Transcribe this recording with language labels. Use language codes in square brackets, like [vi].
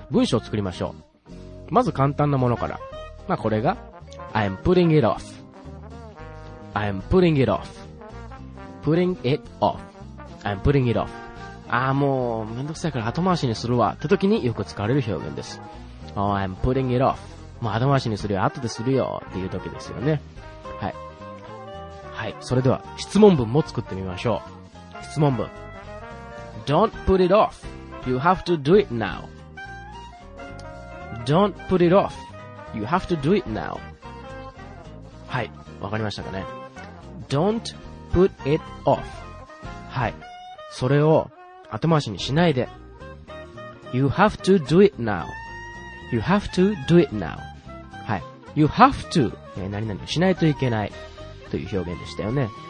[ja] 文章を作りましょう。まず簡単なものから、まあこれが [en] I am putting it off、 [ja] I am putting it off、 putting it off、 I am putting it off、 あーもうめんどくさいから後回しにするわって時によく使われる表現です。 [en] Oh, I am putting it off、 [ja] もう後回しにするよ、後でするよっていう時ですよね。はいはい、それでは質問文も作ってみましょう。質問文、 [en] Don't put it off, you have to do it now、Don't put it off. You have to do it now. [ja] はい、わかりましたかね。 [en] Don't put it off. [ja] はい、それを後回しにしないで。 [en] You have to do it now. You have to do it now. [ja] はい、 [en] You have to、 [ja] 何々しないといけないという表現でしたよね。